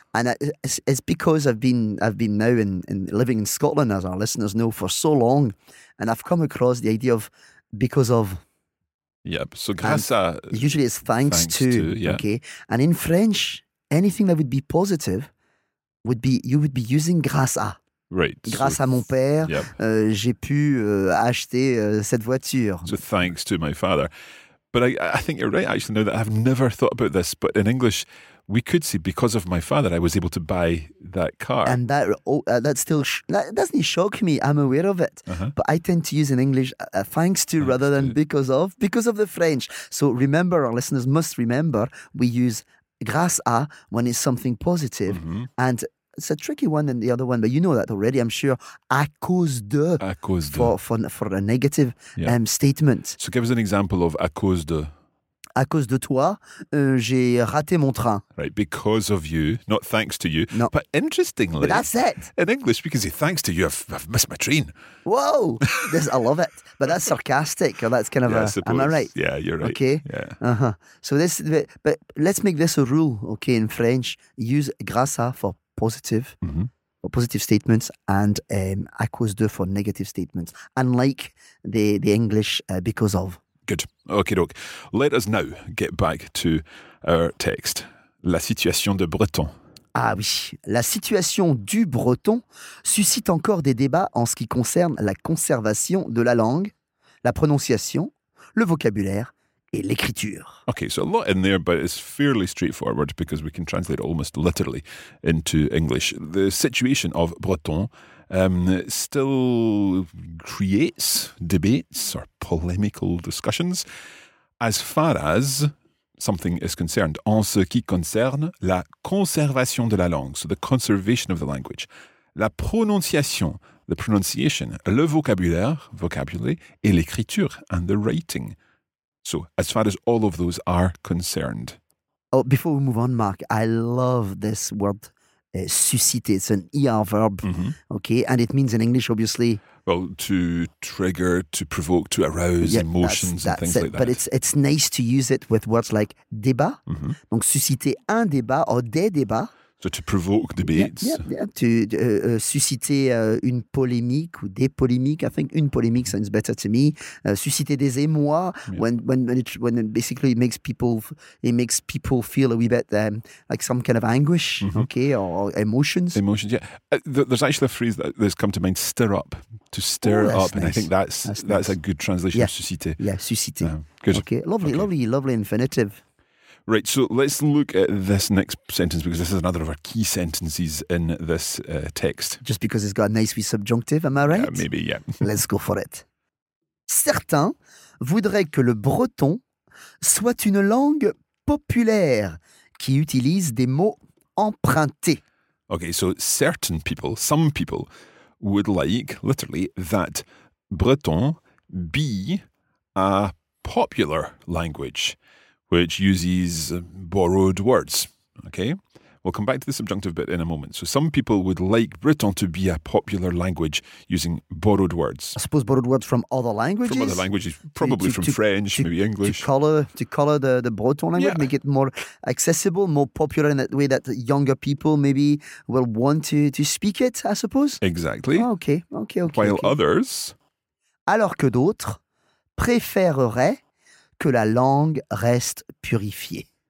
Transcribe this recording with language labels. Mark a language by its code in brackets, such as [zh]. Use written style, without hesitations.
[en] And it's because I've been now in living in Scotland, as our listeners know, for so long, and I've come across the idea of because of. Yep. So grâce à. Usually it's thanks to. Yeah. Okay. And in French, anything that would be positive would be using grâce à. Right. [fr] Grâce à mon père, [en] yep. [fr] J'ai pu acheter cette voiture. [en] So thanks to my father. But I think you're right, actually, now that I've never thought about this, but in English, we could say, because of my father, I was able to buy that car. And that doesn't shock me. I'm aware of it. Uh-huh. But I tend to use in English thanks to rather than because of the French. So remember, our listeners must remember, we use grâce à when it's something positive. Mm-hmm. And it's a tricky one than the other one, but you know that already, I'm sure. [fr] À cause de. [en] For a negative statement. So give us an example of à cause de. [fr] À cause de toi, j'ai raté mon train. [en] Right, because of you, not thanks to you. No. But interestingly, but that's it. In English, we can say thanks to you, I've missed my train. Whoa, this, I love it. But that's sarcastic. Or that's kind of I suppose. Am I right? Yeah, you're right. Okay. Yeah. Uh-huh. So this, but let's make this a rule, okay, in French. Use grâce à for positive, mm-hmm. or positive statements, and à cause de for negative statements, unlike the English because of. Good. Okay, doc. Let us now get back to our text. [fr] La situation de Breton. Ah oui, la situation du Breton suscite encore des débats en ce qui concerne la conservation de la langue, la prononciation, le vocabulaire et l'écriture. [en] Okay, so a lot in there, but it's fairly straightforward because we can translate almost literally into English. The situation of Breton still creates debates or polemical discussions as far as something is concerned. [fr] En ce qui concerne la conservation de la langue, [en] so the conservation of the language, [fr] la prononciation, [en] the pronunciation, [fr] le vocabulaire, et l'écriture, [en] and the writing. So, as far as all of those are concerned. Oh, before we move on, Marc, I love this word, susciter. It's an ER verb, mm-hmm. okay? And it means in English, obviously. Well, to trigger, to provoke, to arouse emotions that's and things it. Like that. But it's nice to use it with words like débat. Mm-hmm. [fr] Donc, susciter un débat or des débats. [en] So to provoke debates. Yeah. [fr] To susciter une polémique ou des polémiques. [en] I think une polémique sounds better to me. [fr] Susciter des émois [en] when it makes people feel a wee bit like some kind of anguish, mm-hmm. okay, or emotions. Emotions, yeah. There's actually a phrase that's come to mind, stir up. To stir up. Nice. And I think that's nice. A good translation of susciter. Yeah, susciter. Good. Okay, lovely infinitive. Right, so let's look at this next sentence because this is another of our key sentences in this text. Just because it's got a nice wee subjunctive, am I right? Maybe. Let's go for it. [fr] Certains voudraient que le breton soit une langue populaire qui utilise des mots empruntés. [en] Okay, so certain people, some people, would like, literally, that breton be a popular language. Which uses borrowed words, okay? We'll come back to the subjunctive bit in a moment. So some people would like Breton to be a popular language using borrowed words. I suppose borrowed words from other languages? From other languages, probably French, maybe English. To colour the Breton language, yeah. Make it more accessible, more popular in that way that younger people maybe will want to speak it, I suppose? Exactly. Oh, okay. While others... [fr] Alors que d'autres préférerait que la langue reste purifiée.